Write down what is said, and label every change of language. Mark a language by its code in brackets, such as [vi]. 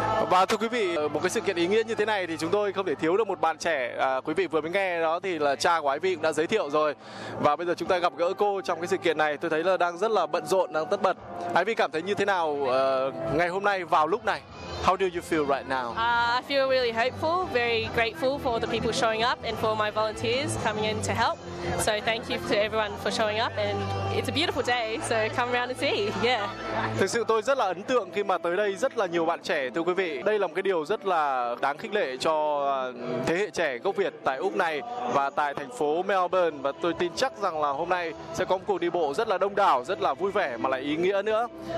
[vi] Và thưa quý vị, một cái sự kiện ý nghĩa như thế này thì chúng tôi không thể thiếu được một bạn trẻ. Quý vị vừa mới nghe đó thì là cha của Ivy cũng đã giới thiệu rồi. Và bây giờ chúng ta gặp gỡ cô trong cái sự kiện này. Tôi thấy là đang rất là bận rộn, đang tất bật. Ivy cảm thấy như thế nào ngày hôm nay vào lúc này? [en] How do you feel right now? I feel really hopeful, very grateful for the people showing up and for my volunteers coming in to help. So thank you to everyone for showing up and it's a beautiful day, so come around and see. Yeah. [vi] Thực sự tôi rất là ấn tượng khi mà tới đây rất là nhiều bạn trẻ, thưa quý vị. Đây là một cái điều rất là đáng khích lệ cho thế hệ trẻ gốc Việt tại Úc này và tại thành phố Melbourne. Và tôi tin chắc rằng là hôm nay sẽ có một cuộc đi bộ rất là đông đảo, rất là vui vẻ mà lại ý nghĩa nữa.